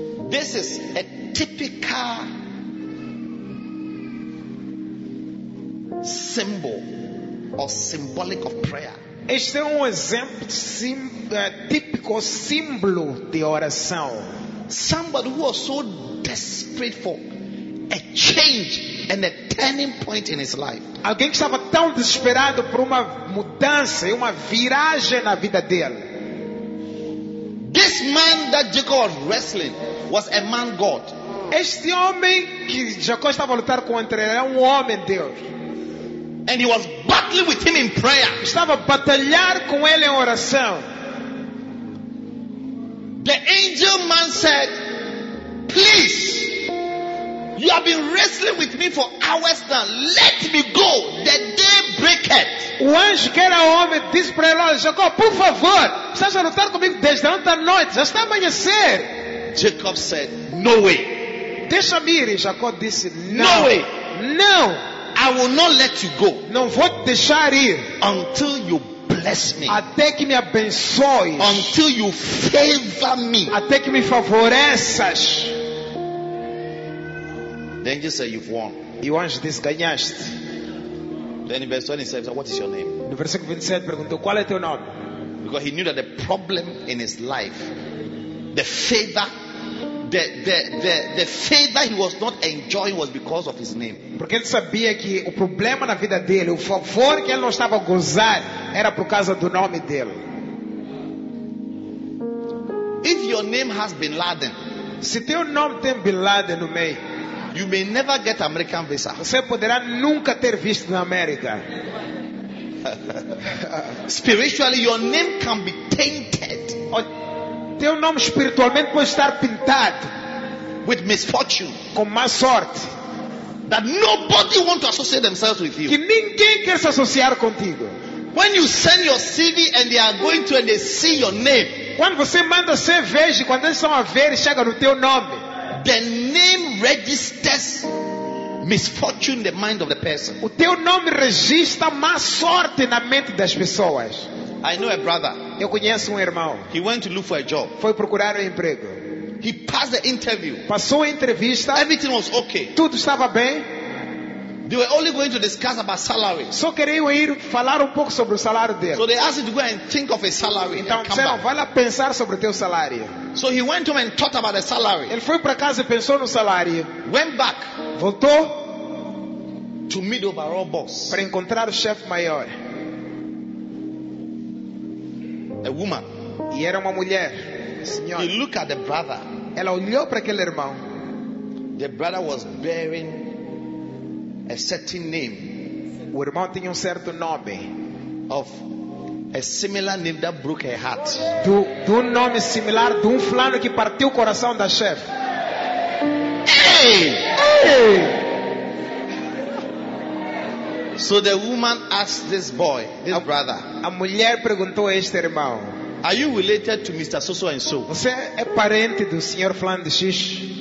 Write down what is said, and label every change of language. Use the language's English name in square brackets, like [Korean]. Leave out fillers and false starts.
[English] This is a typical symbol or symbolic of prayer. [Portuguese] Este é exemplo típico símbolo de oração. [English] Somebody who was so desperate for a change and a turning point in his life. [Portuguese] Alguém que estava tão desesperado por uma mudança e uma viragem na vida dele. [English] This man that Jacob was wrestling was a man God. [Portuguese] Este homem que Jacob estava a lutar contra era homem Deus. [English] And he was battling with him in prayer. [Portuguese] Estava a batalhar com ele em oração. [English] The angel man said, "Please, you have been wrestling with me for hours now. Let me go. The day breaketh." [Portuguese] O anjo que era homem disse para ele: "Jacob, por favor, estás a lutar comigo desde ontem à noite. Já está amanhecer." [English] Jacob said, "No way." [Portuguese] Deixa-me ir. Jacob disse: [English] "No way. No. I will not let you go. [Portuguese] Não vou te deixar ir. [English] Until you bless me. [Portuguese] Até que me abençoes. [English] Until you favor me. [Portuguese] Até que me favoreças." [English] The angel said, "You've won." [Portuguese] E o anjo disse: "Ganhaste." [English] Then in verse 27, "What is your name?" [Portuguese] No versículo 27 perguntou: "Qual é teu nome?" [English] Because he knew that the problem in his life, the favor, the favor he was not enjoying was because of his name. [Portuguese] Porque ele sabia que o problema na vida dele, o favor que ele não estava a gozar, era por causa do nome dele. [English] If your name has Bin Laden, [Portuguese] se teu nome tem Bin Laden no meio, [English] you may never get American visa. [Portuguese] Você poderá nunca ter visto na América. [English] Spiritually, your name can be tainted. [Portuguese] Teu nome espiritualmente pode estar pintado [English] with misfortune, [Portuguese] com má sorte, [English] that nobody wants to associate themselves with you. [Portuguese] Que ninguém quer se associar contigo. [English] When you send your CV and they are going to and they see your name, [Portuguese] quando você manda CV e quando eles estão a ver e chega no teu nome, [English] the name registers misfortune in the mind of the person. [Portuguese] O teu nome registra má sorte na mente das pessoas. [English] I know a brother. [Portuguese] Eu conheço irmão. [English] He went to look for a job. [Portuguese] Foi procurar emprego. [English] He passed the interview. [Portuguese] Passou a entrevista. [English] Everything was okay. [Portuguese] Tudo estava bem. [English] They were only going to discuss about salary. [Portuguese] Só queriam ir falar pouco sobre o salário dele. [English] So they asked him to go and think of a salary. [Portuguese] Então disseram: "Vai lá pensar sobre teu salário." [English] So he went home and thought about the salary. [Portuguese] Ele foi para casa e pensou no salário. [English] Went back. [Portuguese] Voltou [English] to meet the overall boss. [Portuguese] Para encontrar o chefe maior. [English] A woman. [Portuguese] E era uma mulher. Senhora. [English] He looked at the brother. [Portuguese] Ela olhou para aquele irmão. [English] The brother was bearing a certain name. [Portuguese] O irmão tinha certo nome. [English] Of a similar name that broke her heart. [Portuguese] Do nome similar de fulano que partiu o coração da chef. Hey! Hey! [English] So the woman asked this boy, this brother. [Portuguese] A mulher perguntou a este irmão: [English] "Are you related to Mr. So-so and so?" [Portuguese] Você é parente do senhor fulano de X?